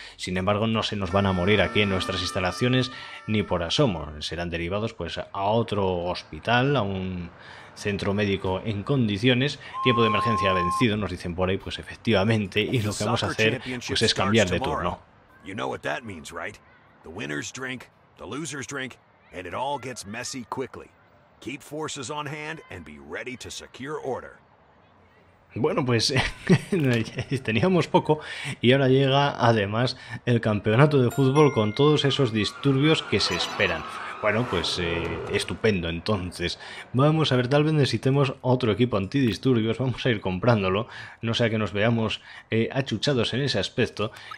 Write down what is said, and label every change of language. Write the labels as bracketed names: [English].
[Spanish] Sin embargo, no se nos van a morir aquí en nuestras instalaciones ni por asomo. Serán derivados pues a otro hospital, a un centro médico en condiciones. Tiempo de emergencia vencido, nos dicen por ahí, pues efectivamente, y lo que vamos a hacer pues es cambiar de turno. [English] You know what that means, right? The winners drink, the losers drink, and it all gets messy quickly. Keep forces on hand and be ready to secure order. [Spanish] Bueno, pues teníamos poco y ahora llega además el campeonato de fútbol con todos esos disturbios que se esperan. Bueno, pues estupendo. Entonces, vamos a ver, tal vez necesitemos otro equipo antidisturbios. Vamos a ir comprándolo, no sea que nos veamos achuchados en ese aspecto.